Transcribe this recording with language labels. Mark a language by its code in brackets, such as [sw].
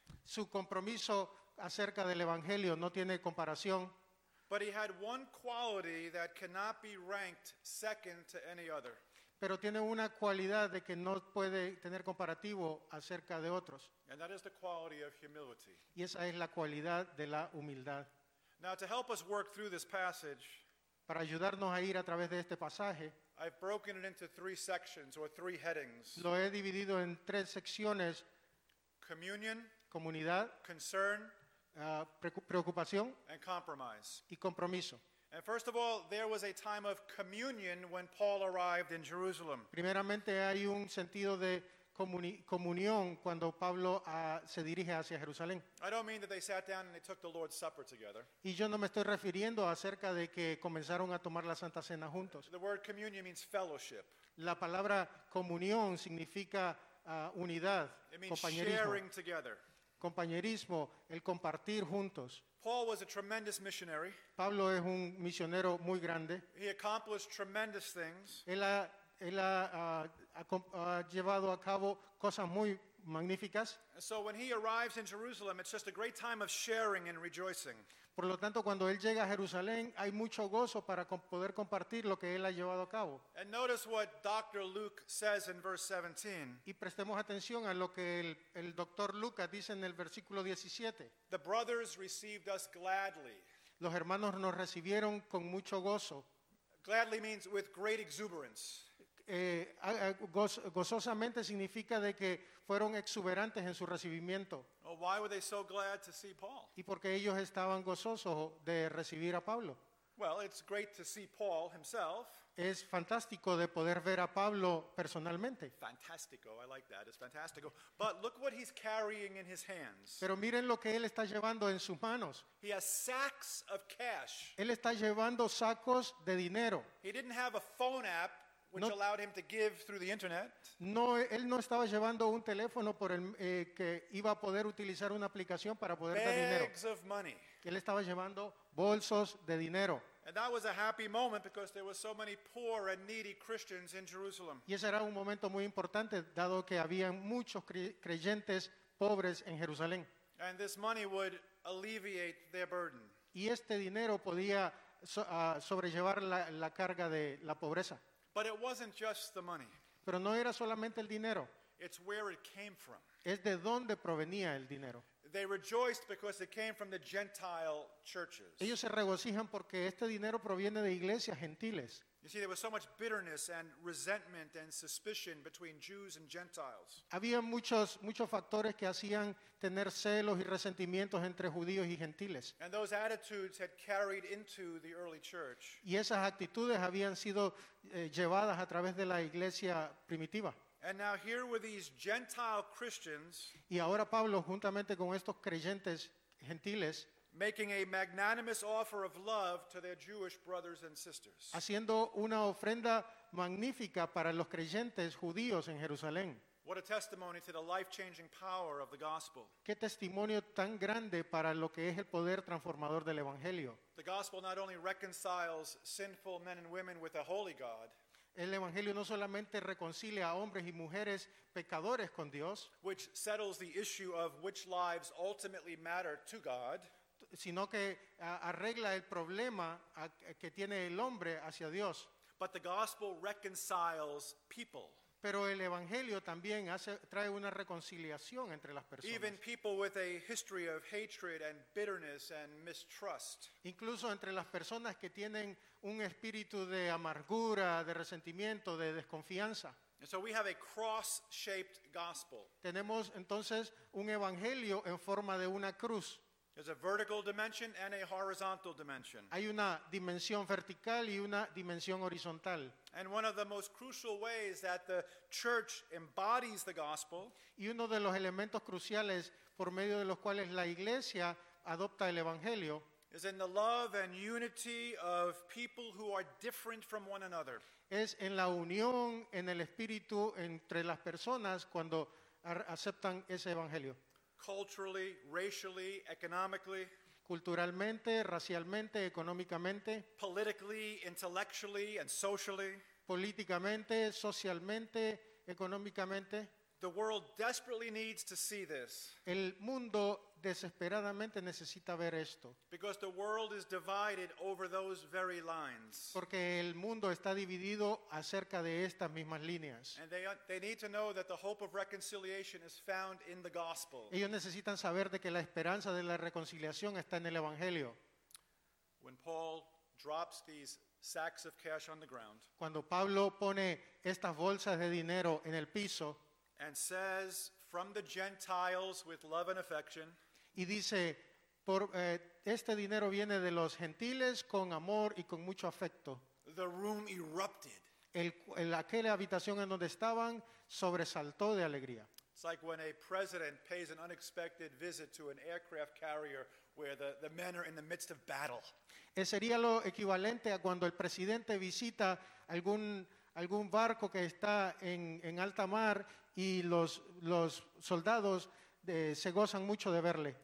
[es] Su compromiso acerca del evangelio no tiene comparación. [en] But he had one quality that cannot be ranked second to any other. [es] Pero tiene una cualidad de que no puede tener comparativo acerca de otros. [en] And that is the quality of humility. [es] Y esa es la cualidad de la humildad. [en] Now, to help us work through this passage, [es] para ayudarnos a ir a través de este pasaje, [en] I've broken it into three sections or three headings. [es] Lo he dividido en tres secciones. [en] Communion, [es] comunidad, [en] concern, [es] preocupación, [en] and compromise. [es] Y compromiso. [en] And first of all, there was a time of communion when Paul arrived in Jerusalem. [es] Primeramente hay un sentido de comunión cuando Pablo se dirige hacia Jerusalén. [en] I don't mean that they sat down and they took the Lord's Supper together. [es] Y yo no me estoy refiriendo acerca de que comenzaron a tomar la Santa Cena juntos. [en] The word communion means fellowship. [es] La palabra comunión significa unidad, compañerismo. [en] It means sharing together. [es] Compañerismo, el compartir juntos. [en] Paul was a tremendous missionary. [es] Pablo es un misionero muy grande. [en] He accomplished tremendous things. [es] Él ha llevado a cabo cosas muy magníficas. [en] So when he arrives in Jerusalem, it's just a great time of sharing and rejoicing. [es] Por lo tanto, cuando él llega a Jerusalén, hay mucho gozo para poder compartir lo que él ha llevado a cabo. [en] And notice what Dr. Luke says in verse 17. [es] Y prestemos atención a lo que el Dr. Lucas dice en el versículo 17. [en] The brothers received us gladly. [es] Los hermanos nos recibieron con mucho gozo. [en] Gladly means with great exuberance. [es] Gozosamente significa de que fueron exuberantes en su recibimiento. [en] Well, why were they so glad to see Paul? [es] Y porque ellos estaban gozosos de recibir a Pablo. [en] Well, it's great to see Paul himself. [es] Es fantástico de poder ver a Pablo personalmente. [en] Fantástico, I like that. It's fantástico. But look what he's carrying in his hands. [es] Pero miren lo que él está llevando en sus manos. [en] He has sacks of cash. [es] Él está llevando sacos de dinero. [en] He didn't have a phone app which allowed him to give through the internet. [es] No, él no estaba llevando un teléfono por el que iba a poder utilizar una aplicación para poder [en] bags [es] dar dinero. [en] Bags of money. [es] Él estaba llevando bolsos de dinero. [en] And that was a happy moment because there were so many poor and needy Christians in Jerusalem. [es] Y ese era un momento muy importante dado que había muchos creyentes pobres en Jerusalén. [en] And this money would alleviate their burden. [es] Y este dinero podía sobrellevar la carga de la pobreza. [en] But it wasn't just the money. [es] Pero no era solamente el dinero. [en] It's where it came from. [es] Es de dónde provenía el dinero. [en] They rejoiced because it came from the Gentile churches. [es] Ellos se regocijan porque este dinero proviene de iglesias gentiles. [en] You see, there was so much bitterness and resentment and suspicion between Jews and Gentiles. [es] Había muchos factores que hacían tener celos y resentimientos entre judíos y gentiles. [en] And those attitudes had carried into the early church. [es] Y esas actitudes habían sido llevadas a través de la iglesia primitiva. [en] And now here were these Gentile Christians. [es] Y ahora Pablo, juntamente con estos creyentes gentiles, [en] making a magnanimous offer of love to their Jewish brothers and sisters. [es] Haciendo una ofrenda magnífica para los creyentes judíos en Jerusalén. [en] What a testimony to the life-changing power of the gospel. [es] Qué testimonio tan grande para lo que es el poder transformador del evangelio. [en] The gospel not only reconciles sinful men and women with a holy God. [es] El evangelio no solamente reconcilia a hombres y mujeres pecadores con Dios, [en] which settles the issue of which lives ultimately matter to God, [es] sino que arregla el problema que tiene el hombre hacia Dios. [en] But the gospel reconciles people. [es] Pero el evangelio también trae una reconciliación entre las personas. [en] Even people with a history of hatred and bitterness and mistrust. [es] Incluso entre las personas que tienen un espíritu de amargura, de resentimiento, de desconfianza. [en] And so we have a cross-shaped gospel. [es] Tenemos entonces un evangelio en forma de una cruz. [en] There's a vertical dimension and a horizontal dimension. [es] Hay una dimensión vertical y una dimensión horizontal. [en] And one of the most crucial ways that the church embodies the gospel, [es] y uno de los elementos cruciales por medio de los cuales la iglesia adopta el evangelio, [en] is in the love and unity of people who are different from one another. [es] Es en la unión en el espíritu entre las personas cuando aceptan ese evangelio. [en] Culturally, racially, economically, [es] culturalmente, racialmente, económicamente, [en] politically, intellectually, and socially, [es] políticamente, socialmente, económicamente. [en] The world desperately needs to see this. [es] El mundo desesperadamente necesita ver esto. [en] Because the world is divided over those very lines. [es] Porque el mundo está dividido acerca de estas mismas líneas. [en] And they need to know that the hope of reconciliation is found in the gospel. [es] Ellos necesitan saber de que la esperanza de la reconciliación está en el evangelio. [en] When Paul drops these sacks of cash on the ground. [es] Cuando Pablo pone estas bolsas de dinero en el piso. [en] And says, from the Gentiles with love and affection. [es] Y dice, este dinero viene de los gentiles con amor y con mucho afecto. [en] The room erupted. [es] Aquella habitación en donde estaban sobresaltó de alegría. [en] It's like when a president pays an unexpected visit to an aircraft carrier where the men are in the midst of battle. [es] Es sería lo equivalente a cuando el presidente visita algún barco que está en alta mar y los soldados se gozan mucho de verle.